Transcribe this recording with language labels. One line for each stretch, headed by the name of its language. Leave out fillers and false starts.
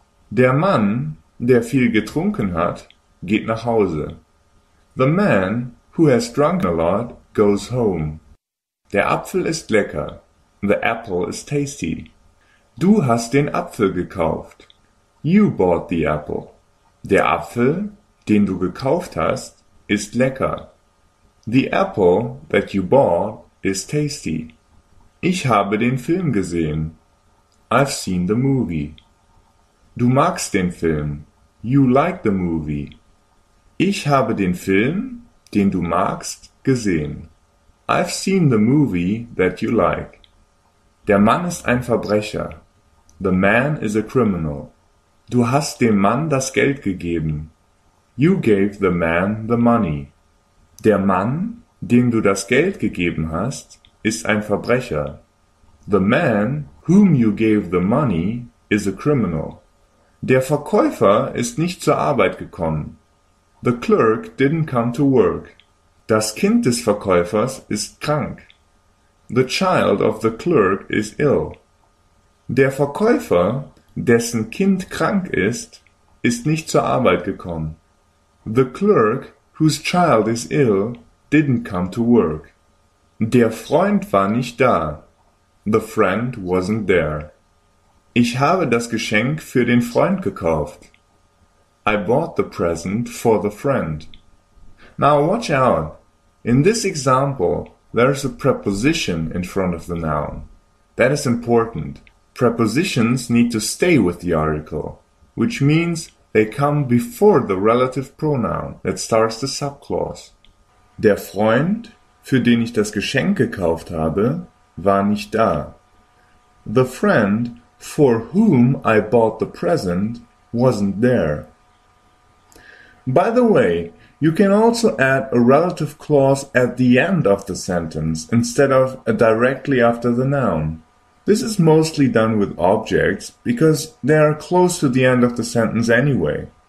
German: Der Mann, der viel getrunken hat, geht nach Hause.
English: The man, who has drunk a lot, goes home.
German: Der Apfel ist lecker.
English: The apple is tasty.
German: Du hast den Apfel gekauft.
English: You bought the apple.
German: Der Apfel, den du gekauft hast, ist lecker. The apple that you bought is tasty. Ich habe den Film gesehen.
English: I've seen the movie.
German: Du magst den Film.
English: You like the movie.
German: Ich habe den Film, den du magst, gesehen.
English: I've seen the movie that you like.
German: Der Mann ist ein Verbrecher.
English: The man is a criminal.
German: Du hast dem Mann das Geld gegeben.
English: You gave the man the money.
German: Der Mann, dem du das Geld gegeben hast, ist ein Verbrecher.
English: The man, whom you gave the money, is a criminal.
German: Der Verkäufer ist nicht zur Arbeit gekommen.
English: The clerk didn't come to work.
German: Das Kind des Verkäufers ist krank.
English: The child of the clerk is ill.
German: Der Verkäufer, dessen Kind krank ist, ist nicht zur Arbeit gekommen.
English: The clerk, whose child is ill, didn't come to work.
German: Der Freund war nicht da.
English: The friend wasn't there.
German: Ich habe das Geschenk für den Freund gekauft.
English: I bought the present for the friend. Now watch out. In this example, there is a preposition in front of the noun. That is important. Prepositions need to stay with the article, which means they come before the relative pronoun that starts the subclause.
German: Der Freund, für den ich das Geschenk gekauft habe, war nicht da.
English: The friend for whom I bought the present wasn't there. By the way, you can also add a relative clause at the end of the sentence instead of directly after the noun. This is mostly done with objects because they are close to the end of the sentence anyway.